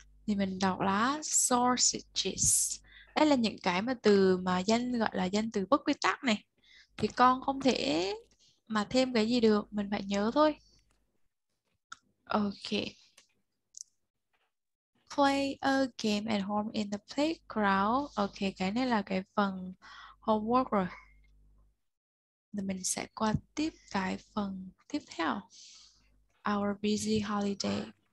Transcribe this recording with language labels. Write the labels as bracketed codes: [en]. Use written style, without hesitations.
[vi] Thì mình đọc là sausages. Đây là những cái mà từ mà danh gọi là danh từ bất quy tắc này. Thì con không thể mà thêm cái gì được, mình phải nhớ thôi. Ok. [en] Play a game at home in the playground. [vi] Ok, cái này là cái phần homework rồi. Thì mình sẽ qua tiếp cái phần tiếp theo. [en] Our busy holiday.